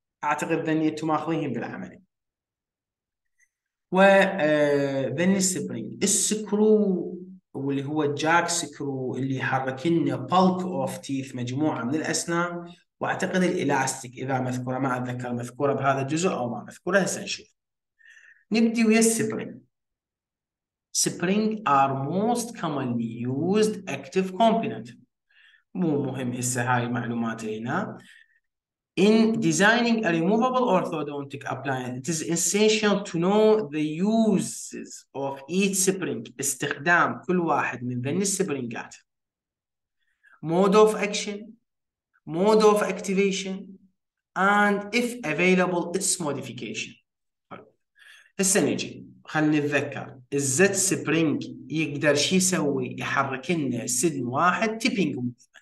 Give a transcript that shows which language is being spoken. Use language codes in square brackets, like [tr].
[ar] أعتقد ذني أنتم ماخذينهم بالعمل. وذني السبرينج، السكرو واللي هو الجاك سكرو اللي يحرك لنا بالك اوف تيث، مجموعه من الاسنان، واعتقد الالاستيك اذا مذكوره، ما اتذكر مذكوره بهذا الجزء او ما مذكوره. هسه نشوف، نبدي ويا السبرينج. [en] spring are most commonly used active component, [ar] مو مهم هسه هاي المعلومات هنا. [en] In designing a removable orthodontic appliance, it is essential to know the uses of each spring. [ar] استخدام كل واحد من ذني السبرينجات. [en] Mode of action, mode of activation, and if available, its modification. [ar] هسه نجي خلينا نتذكر، الزت سبرينج يقدر شو يسوي؟ يحرك لنا سدن واحد تيبينج موفمنت.